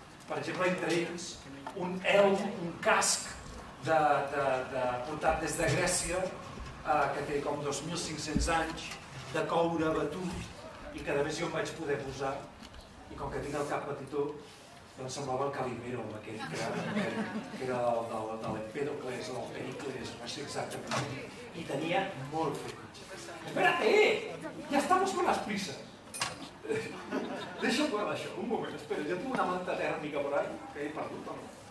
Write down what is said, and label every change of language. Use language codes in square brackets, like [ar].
[ca] Per exemple, entre ells, un casc portat des de Grècia, que té com 2.500 anys, de coure batut, i que a més jo em vaig poder posar, i com que tinc el cap petitó, doncs semblava el Calimero, amb aquell que era de l'Empèdocles, o el Pericles, no sé exactament, i tenia molt fet. Espera-te, [es] ja estamos con las prisas. [ca] Deixa'm guardar això, un moment, espera, ja tinc una manta tèrmica per ahí, que he perdut, home.